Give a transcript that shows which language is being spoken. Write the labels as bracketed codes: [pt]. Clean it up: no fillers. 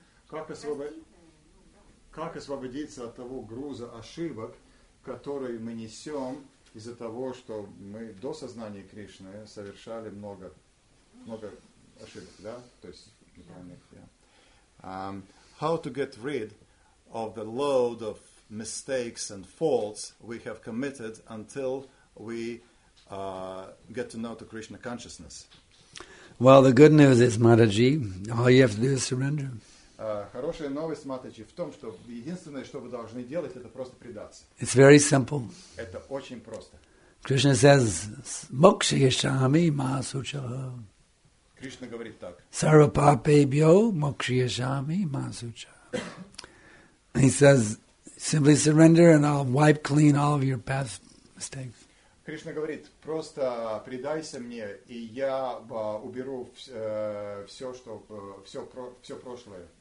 [ru] Как освободиться от того груза ошибок, который мы несем из-за того, что мы до сознания Кришны совершали много ошибок, да? То есть неправильных. Yeah. [en] How to get rid of the load of mistakes and faults we have committed until we get to know the Krishna consciousness? Well, the good news is, Mataji, all you have to do is surrender. [ru] Хорошая новость, Матаджи, в том, что единственное, что вы должны делать, это просто предаться. [en] It's very simple. [ru] Это очень просто. [en] Krishna says, [sa] "Moksha yashami masuchaha." [ru] Кришна говорит так. [sa] Sarva papebhyo moksha yashami masuchaha. [en] He says, simply surrender and I'll wipe clean all of your past mistakes. [ru] Кришна говорит, просто предайся мне, и я уберу все прошлое.